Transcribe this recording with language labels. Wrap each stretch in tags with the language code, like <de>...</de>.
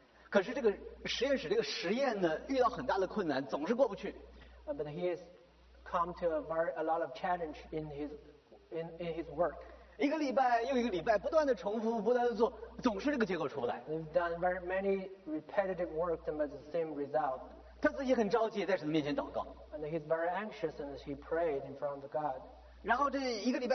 <zh>可是这个实验室这个实验呢，遇到很大的困难，总是过不去。</zh> <en>But he has come to a lot of challenge in his work.</en> <zh>一个礼拜又一个礼拜，不断的重复，不断的做，总是这个结果出不来。</zh> <en>They've done very many repetitive work, but the same result.</en> <zh>他自己很着急，在神面前祷告。</zh> <en>And he's very anxious and he prayed in front of God.</en>